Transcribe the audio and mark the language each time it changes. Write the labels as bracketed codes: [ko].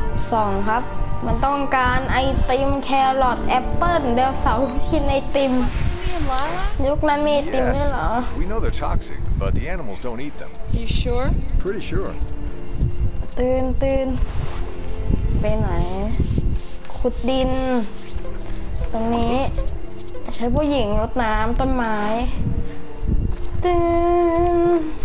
[th] สองครับมันต้องการไอติมแครอทแอปเปิ้ลเดี๋ยวสาวกินไอติมยุคนั้นมีติมด้วยเหรอ [en] We know they're toxic, but the animals don't eat them. You sure? Pretty sure. [th] ตื่นตื่นไปไหนขุดดินตรงนี้ใช้ผู้หญิงรดน้ำต้นไม้ตื่น